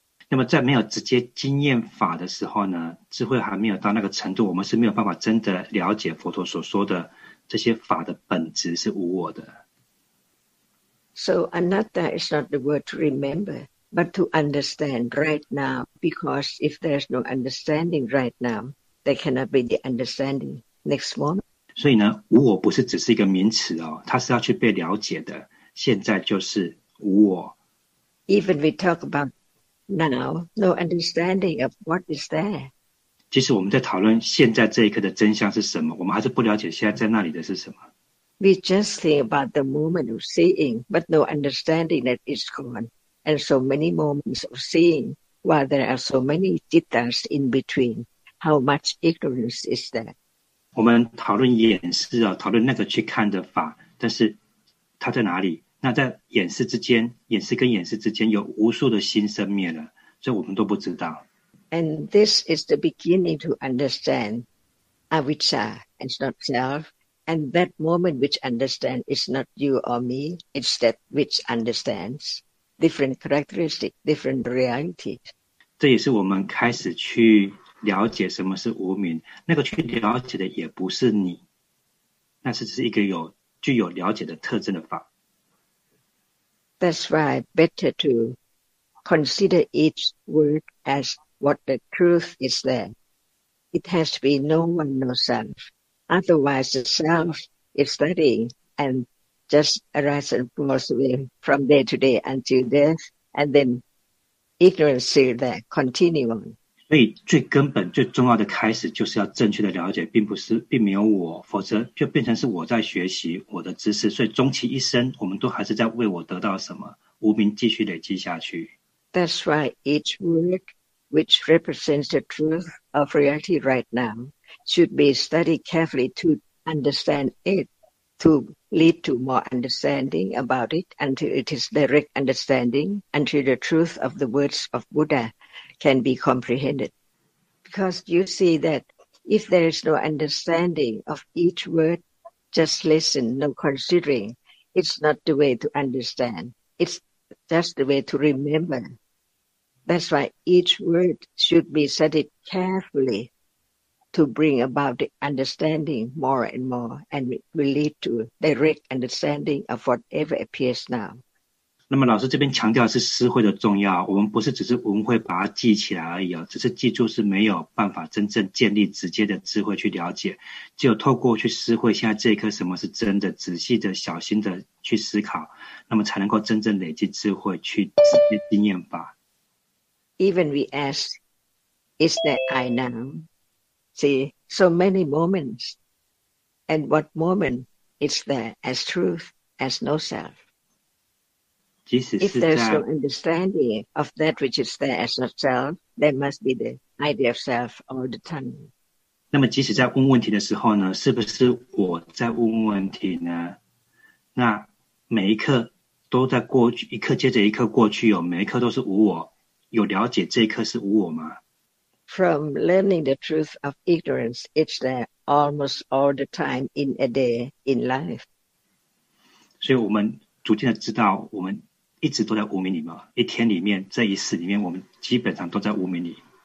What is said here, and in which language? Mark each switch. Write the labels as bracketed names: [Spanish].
[Chinese] 那么在没有直接经验法的时候呢，智慧还没有到那个程度，我们是没有办法真的了解佛陀所说的这些法的本质是无我的。 [English] So anatta is not the word to remember, but to understand right now, because if there is no understanding right now, there cannot be the understanding next moment. [Chinese] 所以呢，无我不是只是一个名词哦，它是要去被了解的。现在就是无我。 [English] Even we talk about now, no understanding of what is there. [Chinese] 即使我们在讨论现在这一刻的真相是什么，我们还是不了解现在在那里的是什么。 [English] We just think about the moment of seeing, but no understanding that it's gone. And so many moments of seeing, while there are so many jittas in between, how much ignorance is there? [Chinese] 我们讨论眼识啊，讨论那个去看的法，但是它在哪里？那在眼识之间，眼识跟眼识之间有无数的心生灭了，所以我们都不知道。 [English] And this is the beginning to understand avicca and not self, and that moment which understands is not you or me, it's that which understands different characteristic, different reality. [Chinese] 这也是我们开始去。了解什么是无明，那个去了解的也不是你，那是只是一个有具有了解的特征的法。 [English] That's why better to consider each word as what the truth is there. It has to be no one, no self. Otherwise, the self is studying and just arise and falls away from day to day until death, and then ignorance still there, continuing. [Chinese] 所以最根本最重要的开始就是要正确的了解并不是并没有我否则就变成是我在学习我的知识所以终其一生我们都还是在为我得到什么无明继续累积下去 [English] That's why each word which represents the truth of reality right now should be studied carefully to understand it to lead to more understanding about it until it is direct understanding until the truth of the words of BuddhaCan be comprehended. Because you see that if there is no understanding of each word, just listen, no considering, it's not the way to understand. It's just the way to remember. That's why each word should be studied carefully to bring about the understanding more and more and will lead to direct understanding of whatever appears now. [Chinese] 那么老师这边强调的是思慧的重要我们不是只是文会把它记起来而已、哦、只是记住是没有办法真正建立直接的智慧去了解只有透过去思慧现在这一刻什么是真的仔细的小心的去思考那么才能够真正累积智慧去直接经验法 [English] Even we ask is that I now see so many moments, and what moment is there as truth, as no self? If there's no understanding of that which is there as a self, there must be the idea of self all the time. [Chinese] 那么即使在问问题的时候呢，是不是我在问问题呢？那每一刻都在过去，一刻接着一刻过去哦，每一刻都是无我，有了解这一刻是无我吗？ [English] From learning the truth of ignorance, it's there almost all the time in a day in life. [Chinese] 所以我们逐渐的知道，我们一直都在无明里嘛，一天里面，这一世里面，我们基本上都在无明里。